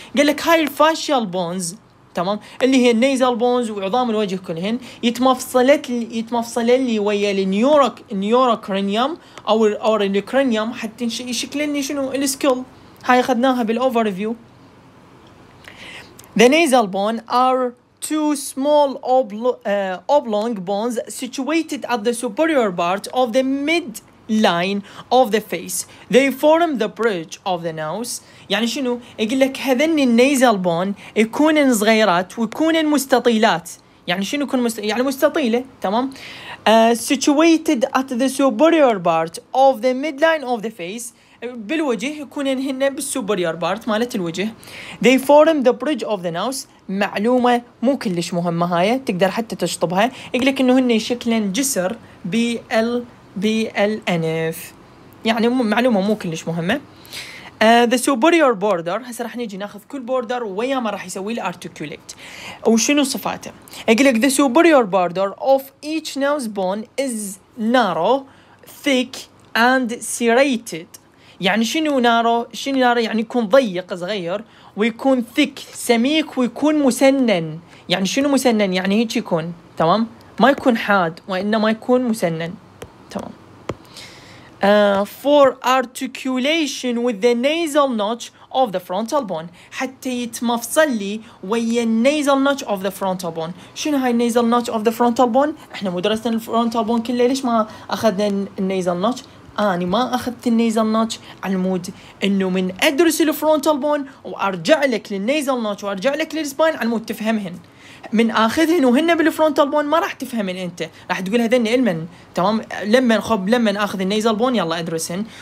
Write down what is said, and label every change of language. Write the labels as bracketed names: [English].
[Arabic] قال لك هاي الفاشيال بونز، تمام؟ اللي هي النيزال بونز وعظام الوجه كلهن يتمفصلن لي ويا النيوروكرانيوم او الكرانيوم حتى يشكلن لي شنو؟ السكول. هاي اخذناها بالاوفر فيو. [English] The nasal bone are two small oblong bones situated at the superior part of the midline of the face. They form the bridge of the nose. [Arabic] يعني شنو؟ يقول لك هذني النيزال بون يكونن صغيرات ويكونن مستطيلات. يعني شنو يكون يعني مستطيلة، تمام؟ [English] situated at the superior part of the midline of the face. [Arabic] بالوجه يكونن هن بالسوبريور بارت مالت الوجه. [English] They form the bridge of the nose. [Arabic] معلومة مو كلش مهمة هاي، تقدر حتى تشطبها. يقولك إنه هن شكلن جسر بالأنف، يعني معلومة مو كلش مهمة. [English] The superior border، [Arabic] هسه رح نيجي ناخذ كل border ويا ما رح يسوي الarticulate وشنو صفاته. يقولك [English] the superior border of each nose bone is narrow, thick and serrated. [Arabic] يعني شنو نارو؟ شنو نارو؟ يعني يكون ضيق صغير، ويكون thick سميك، ويكون مسنن. يعني شنو مسنن؟ يعني هيك يكون، تمام؟ ما يكون حاد وإنما يكون مسنن، تمام. [English] For articulation with the nasal notch of the frontal bone، [Arabic] حتى يتمفصل لي ويا [English] nasal notch of the frontal bone. [Arabic] شنو هاي nasal notch of the frontal bone؟ احنا مدرسنا الفرونتال بون كله، ليش ما أخذنا nasal notch؟ أنا ما أخذت النيزل ناتش على المود إنه من أدرس الفرونتال بون وأرجع لك للنيزل ناتش وأرجع لك للسباين على المود تفهمهن. من أخذهن وهن بالفرونتال بون ما راح تفهمهن، أنت راح تقول هذين إلمن، تمام؟ لما أخذ النيزل بون يلا أدرسهن.